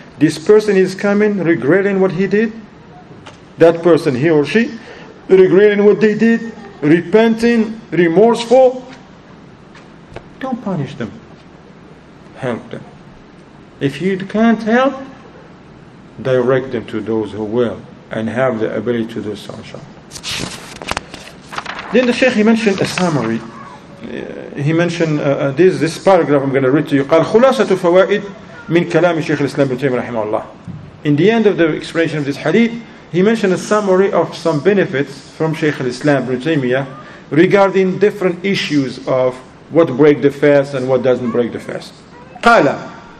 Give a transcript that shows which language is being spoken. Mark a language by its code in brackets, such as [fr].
[en] This person is coming regretting what he did. That person, he or she, regretting what they did, repenting, remorseful, don't punish them. Help them. If you can't help, direct them to those who will and have the ability to do so, inshallah. Then the Shaykh, he mentioned a summary. He mentioned this paragraph I'm going to read to you. [ar] قال خلاصة فوائد من كلام الشيخ الإسلام بن تيمية رحمه الله. [en] In the end of the explanation of this hadith, he mentioned a summary of some benefits from Shaykh al-Islam ibn Taymiyyah regarding different issues of what breaks the fast and what doesn't break the fast. Qala.